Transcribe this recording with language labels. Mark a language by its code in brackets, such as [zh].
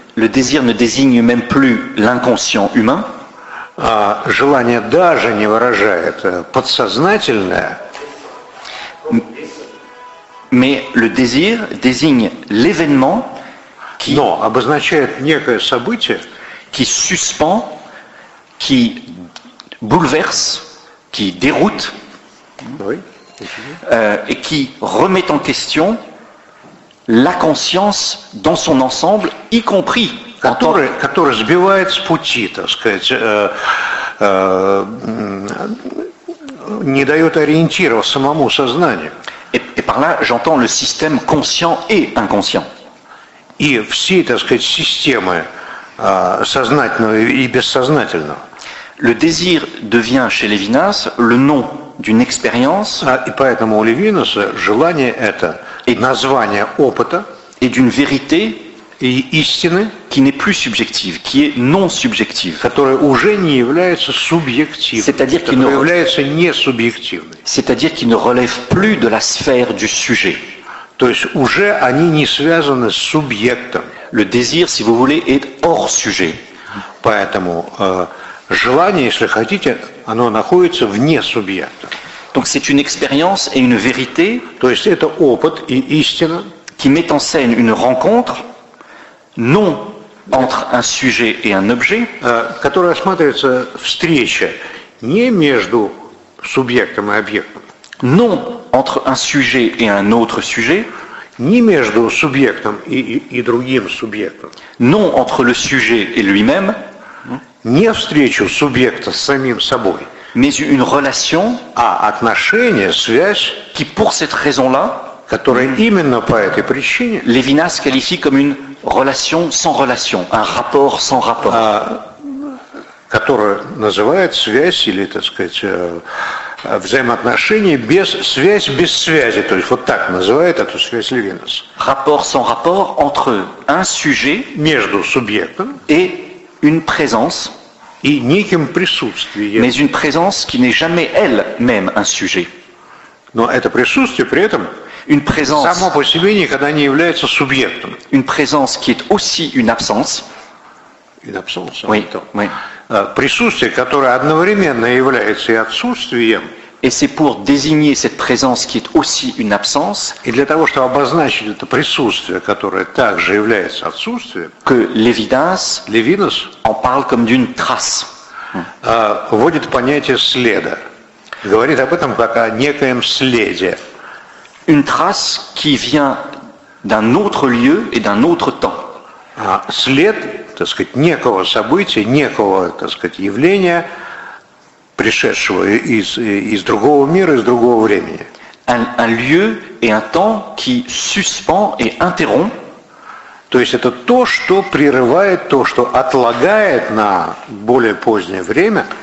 [fr] Le désir ne désigne même plus l'inconscient humain. [ru] Желание даже не выражает подсознательное. [fr] Mais le désir désigne l'événement qui... Non, [ru] обозначает некое событие, [fr] qui suspend, qui bouleverse, qui déroute, oui. Et qui remet en question la conscience dans son ensemble, y compris... [ru] Который сбивает с пути, так сказать, не дает ориентира самому сознанию. [fr] Et par là, j'entends le système conscient et inconscient. [ru] И все, так сказать, системы сознательного и бессознательного. [fr] Le désir devient chez Levinas le nom d'une expérience... [ru] И поэтому у Левинаса желание это... [fr] Et [ru] название опыта [fr] et d'une vérité et [ru] истины [fr] qui n'est plus subjective, qui est non subjective, [ru] которая уже не является субъективной, [fr] c'est-à-dire qui ne [ru] является не субъективной, [fr] c'est-à-dire qui ne relève plus de la sphère du sujet. [ru] То есть уже они не связаны с субъектом. [fr] Le désir, si vous voulez, est hors sujet. [ru] Поэтому желание, если хотите, оно находится вне субъекта. [fr] Donc c'est une expérience et une vérité. [ru] То есть это опыт и истина. [fr] Qui met en scène une rencontre, non entre un sujet et un objet. [ru] Которая рассматривается встреча не между субъектом и объектом. [fr] Non entre un sujet et un autre sujet. Ni [ru] между субъектом и другим субъектом. [fr] Non entre le sujet et lui-même. [ru] Не встречу субъекта с самим собой. [fr] Mais une relation. [ru] А отношение, связь. [fr] Qui pour cette raison-là. [ru] Которая именно по этой причине. [fr] Левинас qualifie comme une relation sans relation, un rapport sans rapport. [ru] Которая называет связь или, так сказать, взаимоотношения без связи, без связи. То есть вот так называет эту связь Левинас. [fr] Rapport sans rapport entre un sujet. [ru] Между субъектом. [fr] Et une présence. [ru] И неким присутствием. [fr] Mais une présence qui n'est jamais elle-même un sujet. [ru] Но это присутствие при этом. [fr] Une présence, [ru] само по себе никогда не является субъектом. [fr] Une présence qui est aussi une absence. Une absence. Oui, oui. [ru] Присутствие, которое одновременно является и отсутствием. [fr] Et c'est pour désigner cette présence qui est aussi une absence. Et [ru] для того, чтобы обозначить это присутствие, которое также является отсутствием. [fr] Que Levinas. Levinas. En parle comme d'une trace. [ru] Вводит понятие следа. Говорит об этом как о некоем следе. [fr] Une trace qui vient d'un autre lieu et d'un autre temps. [ru] След, так сказать, некого события, некого, так сказать, явления, пришедшего из другого мира, из другого времени. [fr] Un lieu et un temps qui suspend et interrompt. [ru] То есть это то, что прерывает, то, что отлагает на более позднее время.